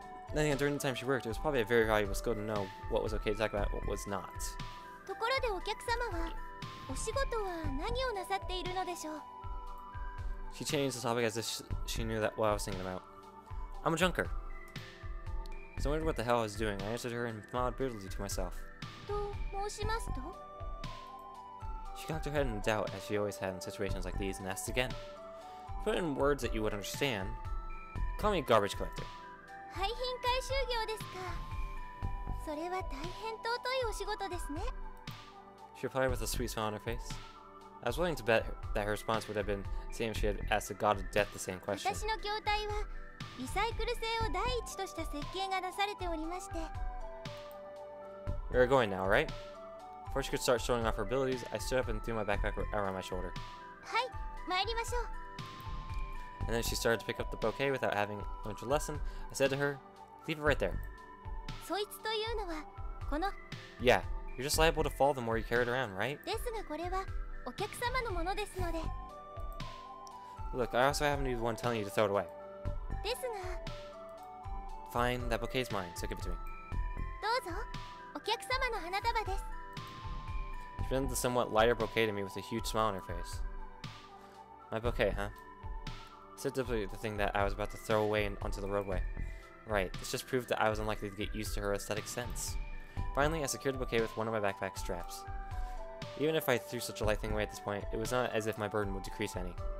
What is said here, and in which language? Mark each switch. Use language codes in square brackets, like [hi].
[en] I think during the time she worked, it was probably a very valuable skill to know what was okay to talk about and what was not. [ja] ところでお客様は、お仕事は何をなさっているのでしょう? [en] She changed the topic as if she knew that what I was thinking about. I'm a junker. So I wondered what the hell I was doing. I answered her and smiled bitterly to myself. [ja] と申しますと? [en] She cocked her head in doubt, as she always had in situations like these, and asked again. Put it in words that you would understand. Call me a garbage collector. [ja] 廃品回収業ですか。それは大変尊いお仕事ですね。 [en] She replied with a sweet smile on her face. I was willing to bet that her response would have been the same if she had asked the god of death the same question. [ja] 私の業態は、リサイクル性を第一とした設計がなされておりまして。 [en] You're going now, right? Before she could start showing off her abilities, I stood up and threw my backpack around my shoulder. [ja] はい、参りましょう。 [en] And then she started to pick up the bouquet without having learned her lesson. I said to her, leave it right there. [ja] そいつというのは、この… [en] Yeah, you're just liable to fall the more you carry it around, right? [ja] ですがこれは、お客様のものですので。 [en] Look, I also happen to be the one telling you to throw it away. [ja] ですが… [en] Fine, that bouquet is mine, so give it to me. [ja] どうぞ、お客様の花束です。 [en] She presented the somewhat lighter bouquet to me with a huge smile on her face. My bouquet, huh? Simply the thing that I was about to throw away and onto the roadway. Right, this just proved that I was unlikely to get used to her aesthetic sense. Finally, I secured the bouquet with one of my backpack straps. Even if I threw such a light thing away at this point, it was not as if my burden would decrease any.